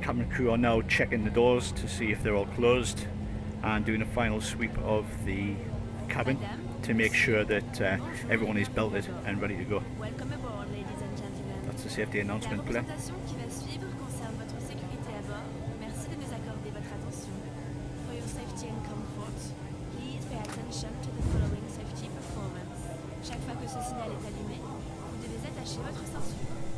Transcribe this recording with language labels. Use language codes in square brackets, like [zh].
[en] Crew are now checking the doors to see if they're all closed and doing a final sweep of the cabin to make sure that everyone is belted and ready to go. Welcome aboard, ladies and gentlemen. That's the safety announcement player. [fr] La présentation qui va suivre concerne votre sécurité à bord. Merci de nous accorder votre attention. [en] For your safety and comfort, please pay attention to the following safety performance. [fr] Chaque fois que ce signal est allumé, vous devez attacher votre ceinture.